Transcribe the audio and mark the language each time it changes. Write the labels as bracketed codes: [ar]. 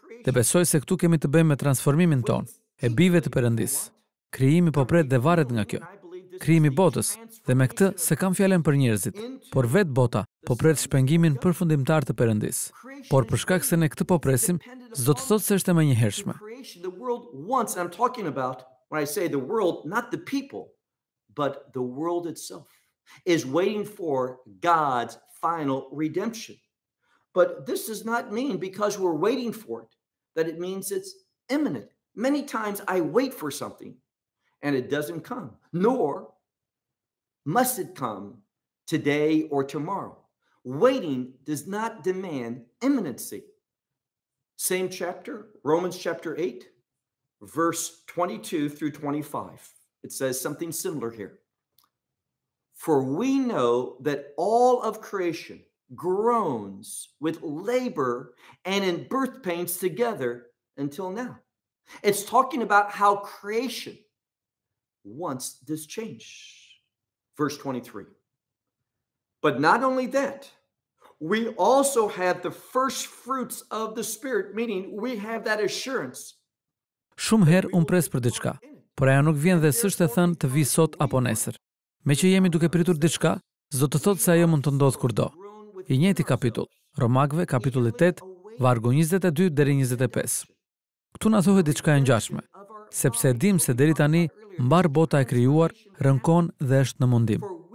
[sq] Dhe besoj se këtu kemi të bëjmë me transformimin ton, e bijve të Perëndisë. Krijimi po pret dhe varet nga kjo. Krijimi botës, dhe me këtë se kam fjalën për njerëzit, por vet bota po pret shpengimin përfundimtar të Perëndisë. Por për shkak se ne këtë po presim, s'do të thotë se është e menjëhershme. [en] When I say the world, not the people, but the world itself is waiting for God's final redemption. But this does not mean because we're waiting for it that it means it's imminent. Many times I wait for something and it doesn't come, nor must it come today or tomorrow. Waiting does not demand imminency. Same chapter, Romans chapter 8, verse 22 through 25. It says something similar here. For we know that all of creation groans with labor and in birth pains together until now. It's talking about how creation wants this change. Verse 23. But not only that, we also have the first fruits of the Spirit, meaning we have that assurance. [sq] Shumë herë unë presë për diçka, por ajo nuk vjen dhe s'është e thënë të vi sot apo nesër. Me që jemi duke pritur diçka, Zotë thotë se ajo mund të ndodhë kurdo. I njëti kapitull, Romakve, kapitulli 8, vargu 22 deri 25. Këtu na thuhet diçka e ngjashme, sepse dim se deri tani mbar bota e krijuar rënkon dhe është në mundim.